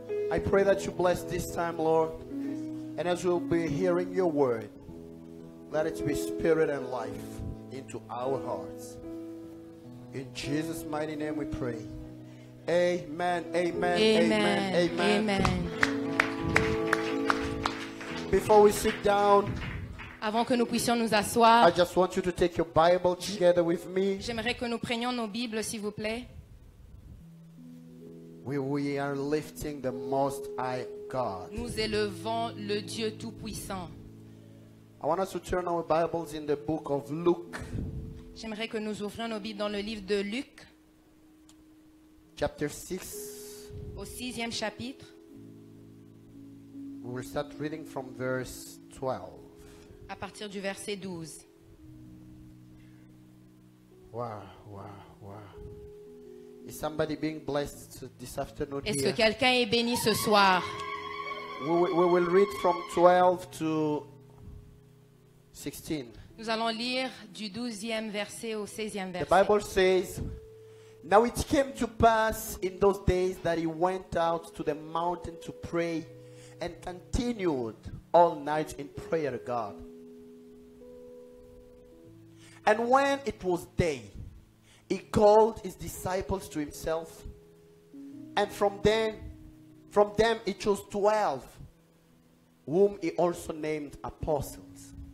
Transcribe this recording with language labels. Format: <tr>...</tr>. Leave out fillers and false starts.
<en>I pray that you bless this time, Lord, and as we'll be hearing your word, let it be spirit and life into our hearts. In Jesus' mighty name we pray. Amen, amen, amen, amen, amen, amen. Before we sit down,</en> <fr>avant que nous puissions nous asseoir,</fr> <en>I just want you to take your Bible together with me.</en> <fr>J'aimerais que nous prenions nos Bibles, s'il vous plaît.</fr> <en>We are lifting the Most High God.</en> <fr>Nous élevons le Dieu Tout-Puissant.</fr> <en>I want us to turn our Bibles in the book of Luke.</en> <fr>J'aimerais que nous ouvrions nos Bibles dans le livre de Luc.</fr> <en>Chapter 6.</en> <fr>Au sixième chapitre.</fr> <en>We will start reading from verse 12.</en> <fr>À partir du verset 12.</fr> <en>Wow, wow, wow. Is somebody being blessed this afternoon?</en> <fr>Est-ce</fr> <en>here?</en> <fr>Que quelqu'un est béni ce soir?</fr> <en>We will read from 12 to 16.</en> <fr>Nous allons lire du 12e verset au 16e verset.</fr> <en>The Bible says, Now it came to pass in those days that he went out to the mountain to pray and continued all night in prayer to God. And when it was day, he called his disciples to himself, and from them he chose 12, whom he also named apostles.</en>